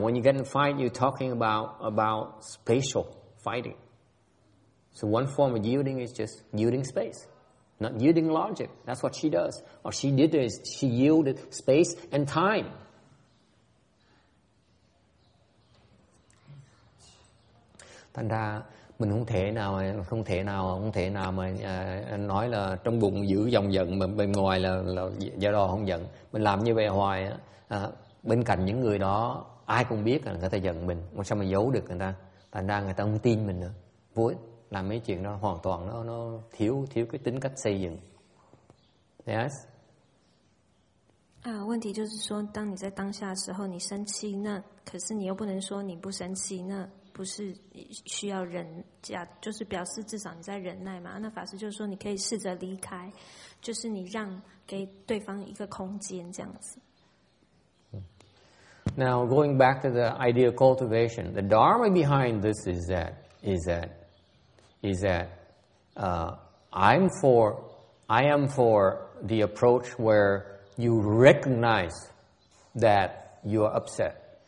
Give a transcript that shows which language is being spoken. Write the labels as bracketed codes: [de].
[en] When you get in a fight, you're talking about spatial fighting. So one form of yielding is just yielding space, not yielding logic. That's what she does. What she did is she yielded space and time. [vi] Thành ra mình không thể nào mà nói là trong bụng giữ dòng giận mà bên ngoài là do đó không giận. Mình làm như vậy hoài, bên cạnh những người đó ai cũng biết là người ta giận mình, mà sao mình giấu được người ta? Thành ra người ta không tin mình nữa, vô ích, làm mấy chuyện đó hoàn toàn nó thiếu cái tính cách xây dựng. [en] Yes. [zh] 问题就是说，当你在当下的时候，你生气，那可是你又不能说你不生气，那不是需要忍，就是表示至少你在忍耐嘛。那法师就是说，你可以试着离开，就是你让给对方一个空间这样子。 [en] Now going back to the idea of cultivation, the dharma behind this is that I am for the approach where you recognize that you are upset.